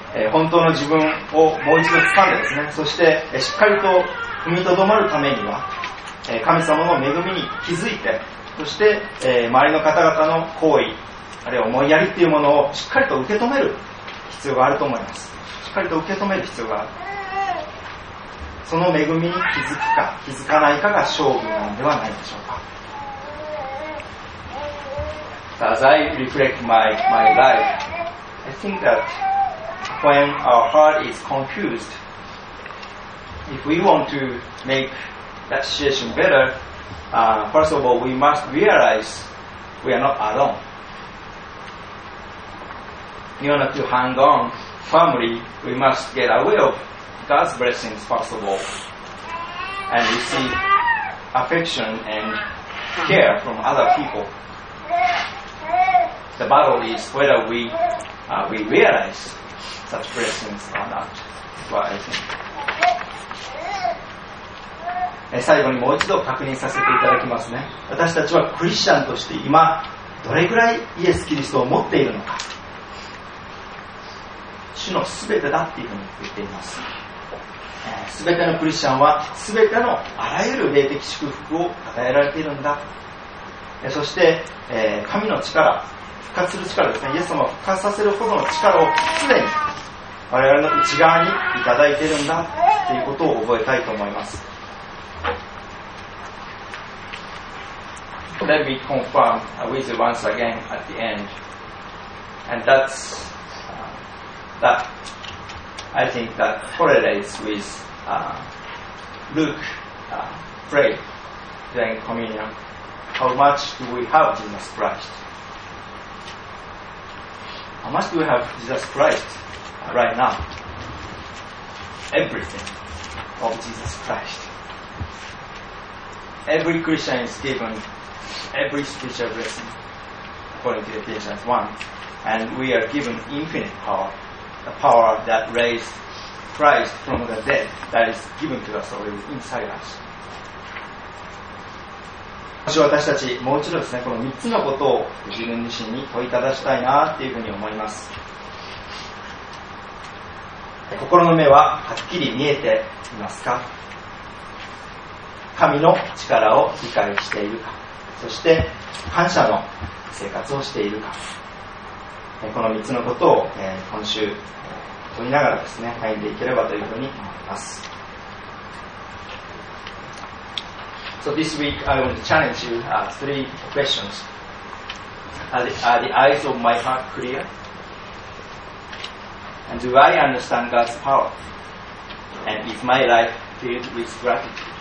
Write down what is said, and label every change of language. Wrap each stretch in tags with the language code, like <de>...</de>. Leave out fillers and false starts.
<ja>本当の自分をもう一度掴んでですね、そしてしっかりと踏みとどまるためには神様の恵みに気づいて、そして周りの方々の行為あるいは思いやりっていうものをしっかりと受け止める必要があると思います。しっかりと受け止める必要がある。その恵みに気づくか気づかないかが勝負なんではないでしょうか。</ja> <en>As I reflect my life, I think that when our heart is confused, if we want to make that situation better, first of all, we must realize we are not aloneIn order to hang on firmly, we must get aware of God's blessings first of all, and receive affection and care from other people. The battle is whether we realize such blessings or not. That's what I think.</en> <ja>最後にもう一度確認させていただきますね。私たちはクリスチャンとして今どれぐらいイエス・キリストを持っているのか。主のすべてだっていうふうに言っています。すべてのクリスチャンはすべてのあらゆる霊的祝福を与えられているんだ。そして、神の力、復活する力ですね、イエス様を復活させるほどの力を常に我々の内側にいただいているんだということを覚えたいと思います。</ja> <en>Let me confirm with you once again at the end, and that'sThat I think that correlates with Luke pray during communion. How much do we have Jesus Christ? How much do we have Jesus Christ right now? Everything of Jesus Christ. Every Christian is given every spiritual blessing according to Ephesians 1, and we are given infinite power. The power that raised Christ from the dead that is given to us already inside us.</en> <ja>もし私たちもう一度ですね、この3つのことを自分自身に問いただしたいなっていうふうに思います。心の目ははっきり見えていますか？神の力を理解しているか？そして感謝の生活をしているか？この3つのことを今週問いながらですね、歩んでいければというふうに思います。</ja> <en>So this week I want to challenge you three questions. Are the eyes of my heart clear? And do I understand God's power? And is my life filled with gratitude?</en>